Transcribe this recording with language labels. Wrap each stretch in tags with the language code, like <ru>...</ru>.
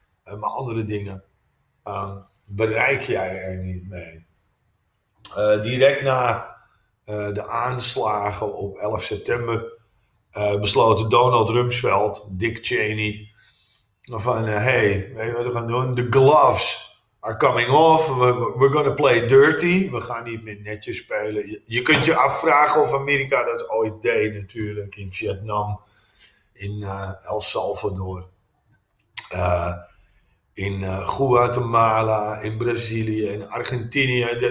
<nl>Maar andere dingen bereik jij er niet mee. Direct na de aanslagen op 11 september besloten Donald Rumsfeld, Dick Cheney, van hey, weet je wat we gaan doen?</nl> <en>The gloves are coming off. We're gonna play dirty.</en> <nl>We gaan niet meer netjes spelen. Je kunt je afvragen of Amerika dat ooit deed, natuurlijk, in Vietnam, in El Salvador, in Guatemala, in Brazilië, in Argentinië.</nl>